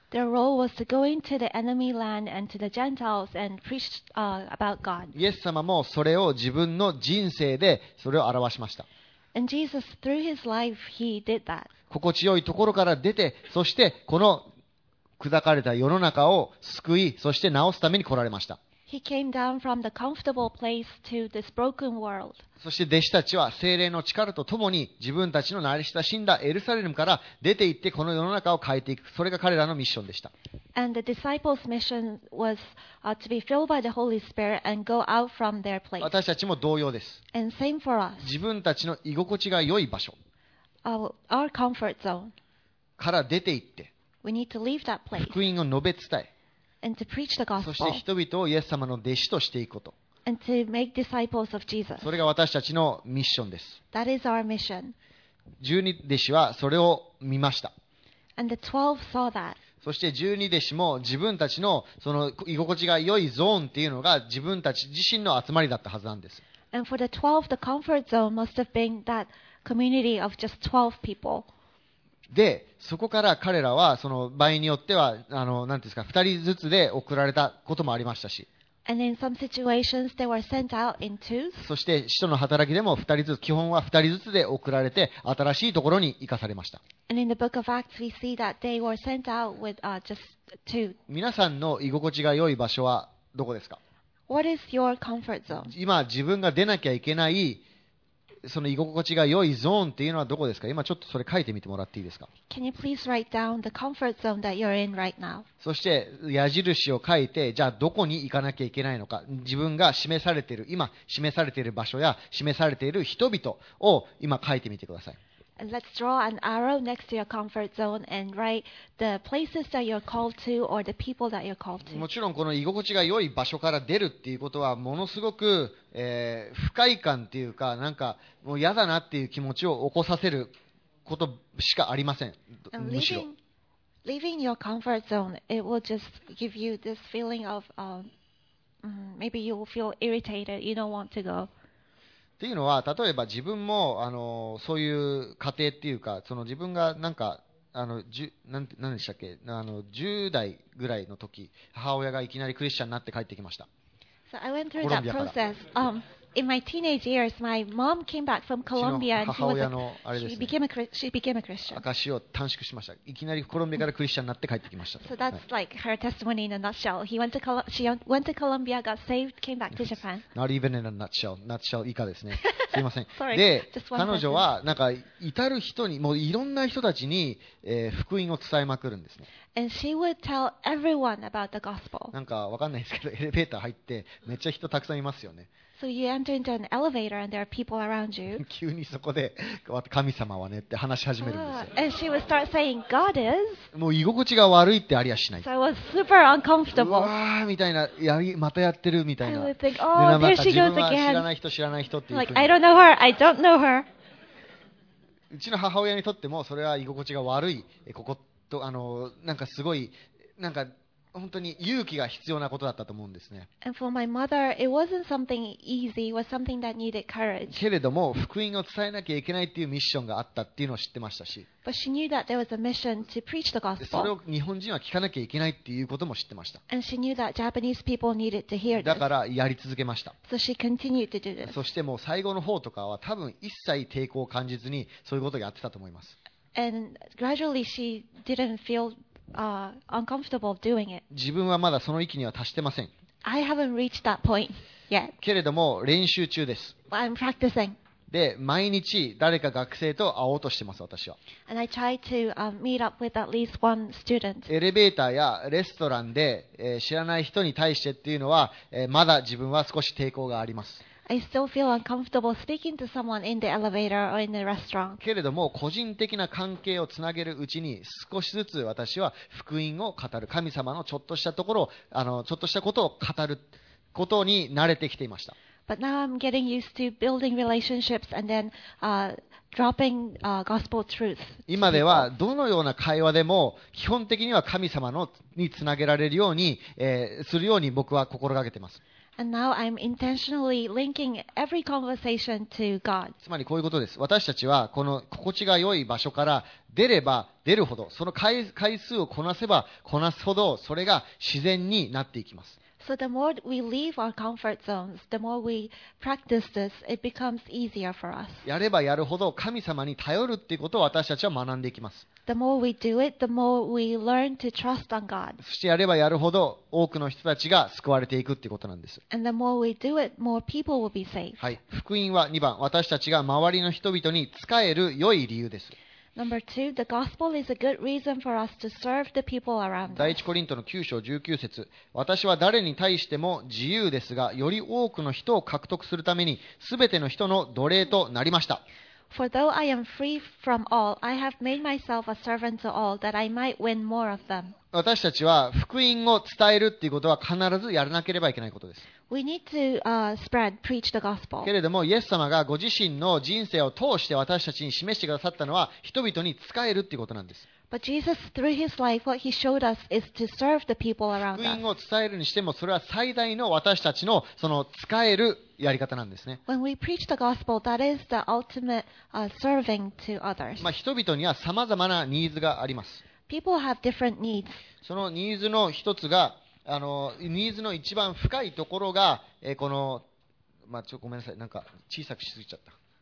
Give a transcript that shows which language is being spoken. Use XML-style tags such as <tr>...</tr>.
<en>Their role was to go into the enemy land and to the Gentiles and preach about God.</en> <ja>イエス様もそれを自分の人生でそれを表しました。</ja> <en>And Jesus, through his life, he did that.</en> <ja>心地よいところから出て、そしてこの砕かれた世の中を救い、そして直すために来られました。</ja> <en>He came down from the comfortable place to this broken world.</en> <ja>そして弟子たちは聖霊の力とともに自分たちの慣れ親しんだエルサレムから出て行ってこの世の中を変えていく。それが彼らのミッションでした。</ja> <en>And the disciples' mission was to be filled by the Holy Spirit and go out from their place.</en> <ja>私たちも同様です。</ja> <en>And same for us.</en> <ja>自分たちの居心地が良い場所。</ja> <en>Our comfort zone.</en> <ja>から出て行って。</ja> <en>We need to leave that place.</en> <ja>福音を述べ伝え。</ja> <en>And to preach the gospel.</en> <ja>そして人々をイエス様の弟子としていくこと。</ja> <en>And to make disciples of Jesus.</en> <ja>それが私たちのミッションです。</ja> <en>That is our mission.</en> <ja>十二弟子はそれを見ました。</ja> <en>And the twelve saw that.</en> <ja>そして十二弟子も自分たちのその居心地が良いゾーンっていうのが自分たち自身の集まりだったはずなんです。</ja> <en>And for the twelve, the comfort zone must have been that community of just twelve people.</en> <ja>で、そこから彼らはその場合によっては2人ずつで送られたこともありましたし、</ja> <en>And in some situations, they were sent out in twos.</en> <ja>そして使徒の働きでも2人ずつ、基本は2人ずつで送られて新しいところに行かされました。</ja> <en>And in the book of Acts, we see that they were sent out with just two.</en> <ja>皆さんの居心地が良い場所はどこですか？</ja> <en>What is your comfort zone?</en> <ja>今自分が出なきゃいけないその居心地が良いゾーンっていうのはどこですか？今ちょっとそれ書いてみてもらっていいですか？</ja> <en>Can you please write down the comfort zone that you're in right now?</en> <ja>そして矢印を書いて、じゃあどこに行かなきゃいけないのか、自分が示されている、今示されている場所や示されている人々を今書いてみてください。</ja> <en>And let's draw an arrow next to your comfort zone and write the places that you're called to or the people that you're called to.</en> <ja>もちろんこの居心地が良い場所から出るっていうことはものすごく、不快感っていうか、なんかもう嫌だなっていう気持ちを起こさせることしかありません。むしろ。</ja> <en>Leaving your comfort zone, it will just give you this feeling of, maybe you will feel irritated, you don't want to go.</en> <ja>っていうのは、例えば自分もそういう家庭っていうか、その自分がなんか何でしたっけ、10代ぐらいの時、母親がいきなりクリスチャンになって帰ってきました。</ja> <en>So I went through that process. In my teenage years, my mom came back from Colombia and she became a Christian.</en> <ja>証を短縮しました。いきなりコロンビアからクリスチャンになって帰ってきました。</ja> <en>So that's like her testimony in a nutshell. She went to Colombia, got saved, came back to Japan. Not even in a nutshell. Nutshell</en> <ja>以下ですね。すいません。</ja> <en>Sorry,</en> <ja>で、彼女はなんか至る人に、もういろんな人たちに、福音を伝えまくるんですね。</ja> <en>And she would tell everyone about the gospel.</en> <ja>なんかわかんないですけど、エレベーター入ってめっちゃ人たくさんいますよね。</ja> <en>So you enter into an elevator and there are people around you.</en> <ja>急にそこで神様はねって話し始めるんですよ。</ja> <en>And she would start saying, God is.</en> <ja>もう居心地が悪いってありゃしない。</ja> <en>So I was super uncomfortable.</en> <ja>うわーみたいな、またやってるみたいな。</ja> <en>I would think, oh, there she goes again.</en> <ja>知らない人知らない人っていう。</ja> <en>Like, I don't know her. I don't know her.</en> <ja>うちの母親にとってもそれは居心地が悪い。ここと、なんかすごい、なんか、本当に勇気が必要なことだったと思うんですね。</ja> <en>And for my mother, it wasn't something easy. It was something that needed courage.</en> <ja>けれども、福音を伝えなきゃいけないっていうミッションがあったっていうのを知ってましたし。</ja> <en>But she knew that there was a mission to preach the gospel.</en> <ja>それを日本人は聞かなきゃいけないっていうことも知ってました。</ja> <en>And she knew that Japanese people needed to hear this.</en> <ja>だからやり続けました。</ja> <en>So she continued to do this.</en> <ja>そしてもう最後の方とかは多分一切抵抗を感じずにそういうことをやってたと思います。</ja> <en>And gradually she didn't feel uncomfortable doing it.</en> <ja>自分はまだその域には達してません。</ja> <en>I haven't reached that point yet.</en> <ja>けれども練習中です。</ja> <en>But I'm practicing.</en> <ja>で、毎日誰か学生と会おうとしてます、私は。</ja> <en>And I try to meet up with at least one student.</en> <ja>エレベーターやレストランで、知らない人に対してっていうのは、まだ自分は少し抵抗があります。</ja> <en>I still feel uncomfortable speaking to someone in the elevator or in the restaurant.</en> <ja>けれども個人的な関係をつなげるうちに少しずつ私は福音を語る、神様のちょっとしたところを、ちょっとしたことを語ることに慣れてきていました。</ja> <en>But now I'm getting used to building relationships and then dropping gospel truth.</en> <ja>今ではどのような会話でも基本的には神様のにつなげられるように、するように僕は心がけています。</ja> <en>And now I'm intentionally linking every conversation to God.</en> <ja>つまりこういうことです。私たちはこの心地が良い場所から出れば出るほど、その 回数をこなせばこなすほど、それが自然になっていきます。</ja> <en>So the more we leave our comfort zones, the more we practice this, it becomes easier for us.</en> <ja>やればやるほど神様に頼るっていうことを私たちは学んでいきます。</ja> <en>The more we do it, the more we learn to trust on God.</en> <ja>そしてやればやるほど多くの人たちが救われていくっていうことなんです。</ja> <en>And the more we do it, more people will be saved.</en> <ja>はい。福音は2番、私たちが周りの人々に仕える良い理由です。</ja> <en>Number two, the gospel is a good reason for us to serve the people around us.</en> <ja>第1コリントの9章19節、私は誰に対しても自由ですが、より多くの人を獲得するために、すべての人の奴隷となりました。</ja> <en>For though I am free from all, I have made myself a servant to all, that I might win more of them.</en> <ja>私たちは福音を伝えるっていうことは必ずやらなければいけないことです。</ja> <en>We need to spread, preach the gospel.</en> <ja>けれども、イエス様がご自身の人生を通して私たちに示してくださったのは、人々に仕えるっていうことなんです。</ja> <en>But Jesus, through his life, what he showed us is to serve the people around us.</en> <ja>福音を伝えるにしても、それは最大の私たちのその仕えるやり方なんですね。</ja> <en>When we preach the gospel, that is the ultimate serving to others.</en> <ja>まあ、人々には様々なニーズがあります。</ja> <en>People have different needs.</en> <ja>そのニーズの一つが、あのニーズの一番深いところが、この、まあ、ちょっとごめんなさい、なんか小さくしすぎちゃった。</ja>